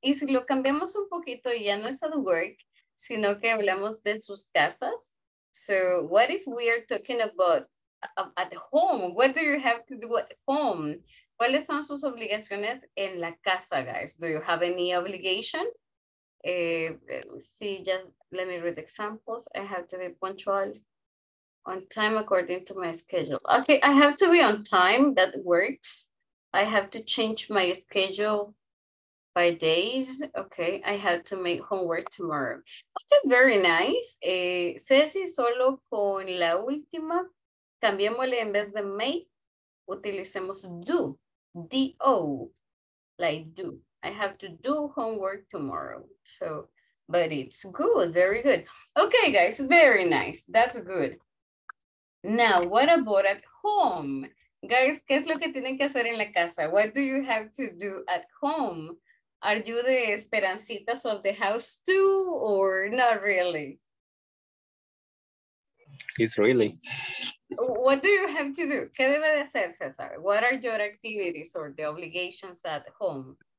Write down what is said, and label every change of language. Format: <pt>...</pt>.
<es>Y si lo cambiamos un poquito, ya no es</es> <en>at work,</en> <es>sino que hablamos de sus casas.</es> <en>So what if we are talking about at home? What do you have to do at home?</en> <es>¿Cuáles son sus obligaciones en la casa, guys?</es> <en>Do you have any obligation? See, just let me read examples. I have to be punctual on time according to my schedule. Okay, I have to be on time, that works. I have to change my schedule by days. Okay, I have to make homework tomorrow. Okay, very nice.</en> <es>Ceci, solo con la última, cambiémosle en vez de make, utilicemos do, D-O,</es> <en>like do. I have to do homework tomorrow. So, but it's good, very good. Okay, guys, very nice. That's good. Now, what about at home?</en> <es>Guys, ¿qué es lo que tienen que hacer en la casa?</es> <en>What do you have to do at home? Are you the esperancitas of the house too, or not really? It's really. What do you have to do?</en> <es>¿Qué debe de hacer, César?</es> <en>What are your activities or the obligations at home?</en>